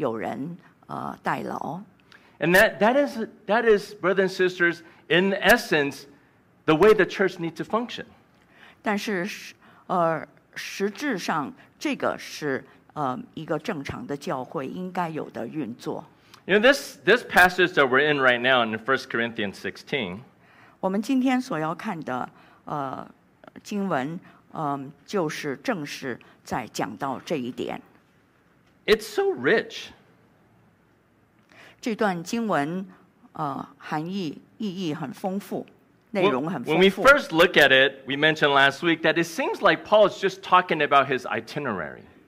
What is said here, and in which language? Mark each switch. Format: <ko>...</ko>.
<zh>等等，所以再加上他在教会还有别的服事，所以这可能意味着他在教会中其他的服事，有些服事可能需要有人代劳。</zh> <en>And that is, brothers and sisters, in essence, the way the church needs to function.</en> <zh>但是实质上这个是一个正常的教会应该有的运作。</zh> <en>You know, this passage that we're in right now in 1 Corinthians 16,</en> <zh>我们今天所要看的, 经文, 就是正是在讲到这一点。</zh> <en>It's so rich.</en> <zh>这段经文, 含义意义很丰富, 内容很丰富。</zh> <en>When we first look at it, we mentioned last week that it seems like Paul is just talking about his itinerary.</en>